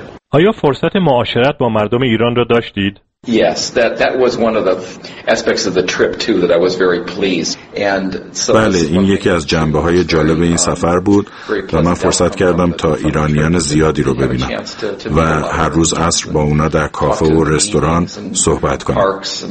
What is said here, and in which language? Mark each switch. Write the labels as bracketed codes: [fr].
[fa] آیا فرصت معاشرت با مردم ایران را داشتید؟ [en] Yes, that was one of the aspects of the trip too that I was very pleased. And [fa] so بله، این یکی از جنبه‌های جالب این سفر بود و من فرصت کردم تا ایرانیان زیادی رو ببینم و هر روز عصر با اونا در کافه و رستوران صحبت کنم.